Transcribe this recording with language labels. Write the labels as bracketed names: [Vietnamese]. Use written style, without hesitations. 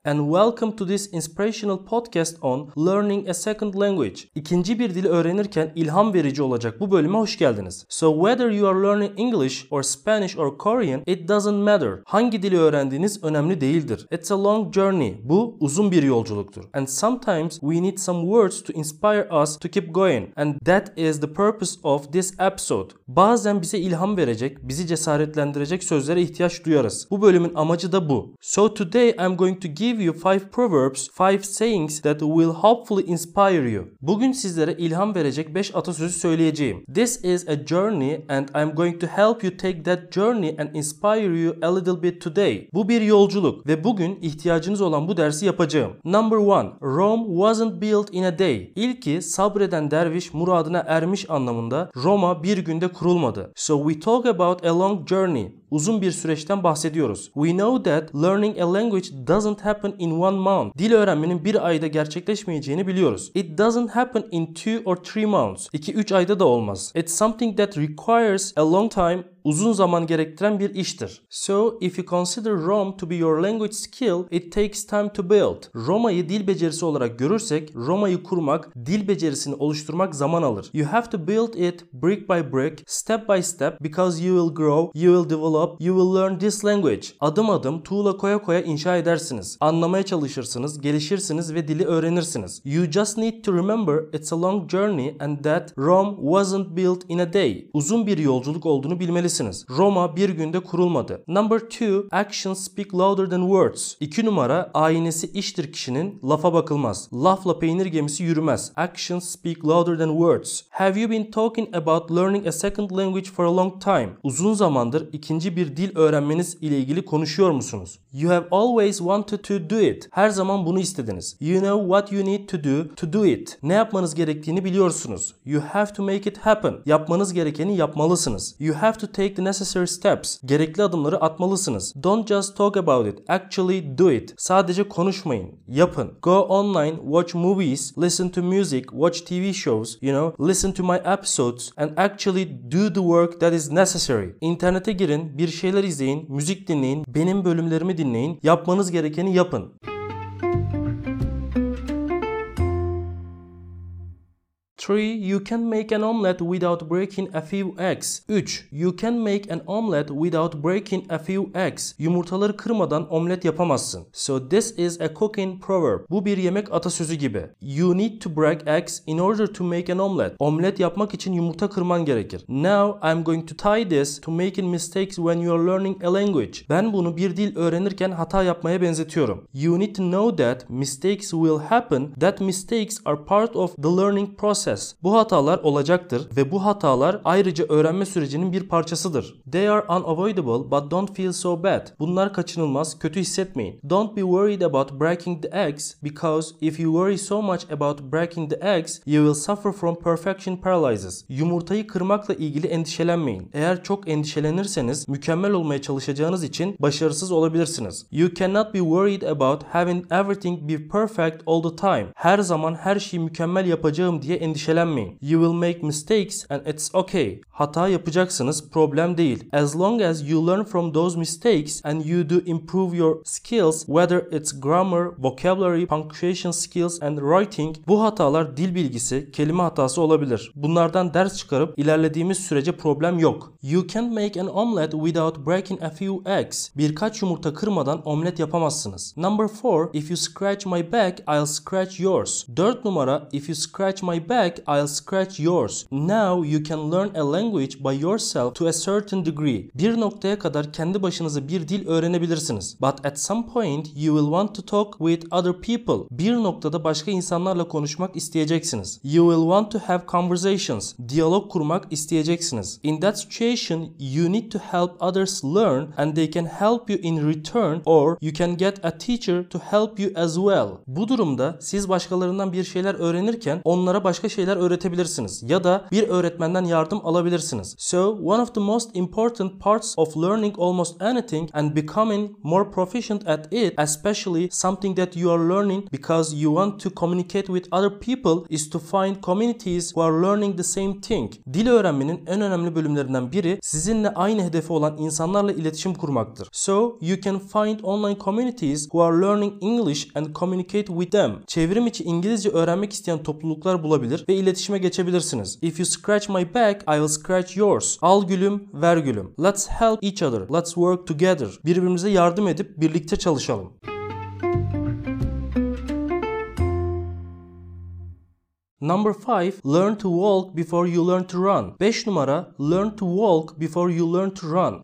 [English] And welcome to this inspirational podcast on learning a second language. [Turkish] İkinci bir dili öğrenirken ilham verici olacak bu bölüme hoş geldiniz. [English] So whether you are learning English or Spanish or Korean, it doesn't matter. [Turkish] Hangi dili öğrendiğiniz önemli değildir. [English] It's a long journey. [Turkish] Bu uzun bir yolculuktur. [English] And sometimes we need some words to inspire us to keep going. And that is the purpose of this episode. [Turkish] Bazen bize ilham verecek, bizi cesaretlendirecek sözlere ihtiyaç duyarız. Bu bölümün amacı da bu. [English] So today I'm going to give you 5 proverbs, 5 sayings that will hopefully inspire you. [Turkish] Bugün sizlere ilham verecek 5 atasözü söyleyeceğim. [English] This is a journey and I'm going to help you take that journey and inspire you a little bit today. [Turkish] Bu bir yolculuk ve bugün ihtiyacınız olan bu dersi yapacağım. [English] Number 1. Rome wasn't built in a day. [Turkish] İlki sabreden derviş muradına ermiş anlamında Roma bir günde kurulmadı. [English] So we talk about a long journey. [Turkish] Uzun bir süreçten bahsediyoruz. [English] We know that learning a language doesn't happen in one month. [Turkish] Dil öğrenmenin bir ayda gerçekleşmeyeceğini biliyoruz. [English] It doesn't happen in 2 or 3 months. [Turkish] 2-3 ayda da olmaz. [English] It's something that requires a long time. [Turkish] Uzun zaman gerektiren bir iştir. [English] So, if you consider Rome to be your language skill, it takes time to build. [Turkish] Roma'yı dil becerisi olarak görürsek, Roma'yı kurmak, dil becerisini oluşturmak zaman alır. [English] You have to build it brick by brick, step by step, because you will grow, you will develop, you will learn this language. [Turkish] Adım adım, tuğla koya koya inşa edersiniz. Anlamaya çalışırsınız, gelişirsiniz ve dili öğrenirsiniz. [English] You just need to remember it's a long journey and that Rome wasn't built in a day. [Turkish] Uzun bir yolculuk olduğunu bilmelisiniz. Roma bir günde kurulmadı. [English] Number 2. Actions speak louder than words. [Turkish] 2 numara, aynesi iştir kişinin, lafa bakılmaz. Lafla peynir gemisi yürümez. [English] Actions speak louder than words. Have you been talking about learning a second language for a long time? [Turkish] Uzun zamandır ikinci bir dil öğrenmeniz ile ilgili konuşuyor musunuz? [English] You have always wanted to do it. [Turkish] Her zaman bunu istediniz. [English] You know what you need to do it. [Turkish] Ne yapmanız gerektiğini biliyorsunuz. [English] You have to make it happen. [Turkish] Yapmanız gerekeni yapmalısınız. [English] You have to take the necessary steps. [Turkish] Gerekli adımları atmalısınız. [English] Don't just talk about it. Actually do it. [Turkish] Sadece konuşmayın. Yapın. [English] Go online, watch movies, listen to music, watch TV shows, you know, listen to my episodes and actually do the work that is necessary. [Turkish] İnternete girin, bir şeyler izleyin, müzik dinleyin, benim bölümlerimi dinleyin. Yapmanız gerekeni yapın. [English] Three, you can make an omelet without breaking a few eggs. 3. You can make an omelet without breaking a few eggs. [Turkish] Yumurtaları kırmadan omlet yapamazsın. [English] So this is a cooking proverb. [Turkish] Bu bir yemek atasözü gibi. [English] You need to break eggs in order to make an omelet. [Turkish] Omlet yapmak için yumurta kırman gerekir. [English] Now I'm going to tie this to making mistakes when you are learning a language. [Turkish] Ben bunu bir dil öğrenirken hata yapmaya benzetiyorum. [English] You need to know that mistakes will happen. That mistakes are part of the learning process. [Turkish] Bu hatalar olacaktır ve bu hatalar ayrıca öğrenme sürecinin bir parçasıdır. [English] They are unavoidable but don't feel so bad. [Turkish] Bunlar kaçınılmaz, kötü hissetmeyin. [English] Don't be worried about breaking the eggs because if you worry so much about breaking the eggs, you will suffer from perfection paralysis. [Turkish] Yumurtayı kırmakla ilgili endişelenmeyin. Eğer çok endişelenirseniz mükemmel olmaya çalışacağınız için başarısız olabilirsiniz. [English] You cannot be worried about having everything be perfect all the time. [Turkish] Her zaman her şeyi mükemmel yapacağım diye endişelenmeyin. [English] You will make mistakes and it's okay. [Turkish] Hata yapacaksınız, problem değil. [English] As long as you learn from those mistakes and you do improve your skills, whether it's grammar, vocabulary, punctuation skills and writing, [Turkish] bu hatalar dil bilgisi, kelime hatası olabilir. Bunlardan ders çıkarıp ilerlediğimiz sürece problem yok. [English] You can't make an omelet without breaking a few eggs. [Turkish] Birkaç yumurta kırmadan omlet yapamazsınız. [English] Number 4. If you scratch my back, I'll scratch yours. [Turkish] 4 numara. [English] If you scratch my back, I'll scratch yours. Now you can learn a language by yourself to a certain degree. [Turkish] Bir noktaya kadar kendi başınıza bir dil öğrenebilirsiniz. [English] But at some point you will want to talk with other people. [Turkish] Bir noktada başka insanlarla konuşmak isteyeceksiniz. [English] You will want to have conversations. [Turkish] Diyalog kurmak isteyeceksiniz. [English] In that situation you need to help others learn and they can help you in return or you can get a teacher to help you as well. [Turkish] Bu durumda siz başkalarından bir şeyler öğrenirken onlara başka şeyler şeyler öğretebilirsiniz ya da bir öğretmenden yardım alabilirsiniz. [English] So, one of the most important parts of learning almost anything and becoming more proficient at it, especially something that you are learning because you want to communicate with other people, is to find communities who are learning the same thing. [Turkish] Dil öğrenmenin en önemli bölümlerinden biri sizinle aynı hedefi olan insanlarla iletişim kurmaktır. [English] So, you can find online communities who are learning English and communicate with them. [Turkish] Çevrim içi İngilizce öğrenmek isteyen topluluklar bulabilir ve iletişime geçebilirsiniz. [English] If you scratch my back, I will scratch yours. [Turkish] Al gülüm, ver gülüm. [English] Let's help each other. Let's work together. [Turkish] Birbirimize yardım edip birlikte çalışalım. [English] Number 5, learn to walk before you learn to run. [Turkish] 5 numara, [English] learn to walk before you learn to run.